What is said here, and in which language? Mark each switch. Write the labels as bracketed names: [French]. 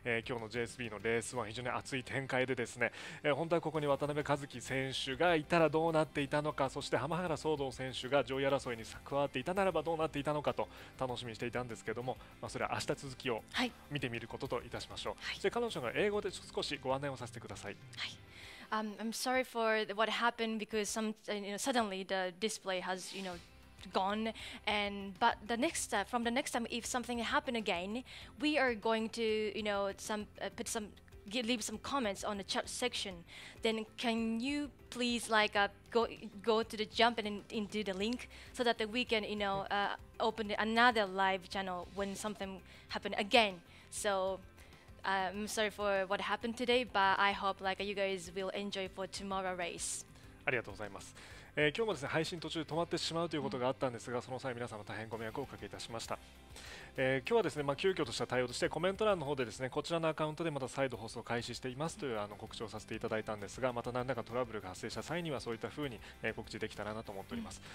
[Japanese] 今日の JSB のレース1、非常に熱い展開でですね、本当はここに渡辺和樹選手がいたらどうなっていたのか、そして浜原総道選手が上位争いに加わっていたならばどうなっていたのかと楽しみにしていたんですけども、それは明日続きを見てみることといたしましょう。はい、そして彼女が英語で少しご案内をさせてください。 [English] はい、I'm sorry for what happened because suddenly the display has, gone. But the next step, from the next time, if something happened again, we are going to, leave some comments on the chat section. Then can you please go to the jump and into the link so that we can, open another live channel when something happened again. So... I'm sorry for what happened today, but I hope you guys will enjoy for tomorrow race. [Japanese] ありがとうございます。今日もですね、配信途中で止まってしまうということがあったんですが、その際皆様大変ご迷惑をおかけいたしました。今日はですね、急遽とした対応としてコメント欄の方でですね、こちらのアカウントでまた再度放送開始していますという告知をさせていただいたんですが、また何らかトラブルが発生した際にはそういったふうに告知できたらなと思っております。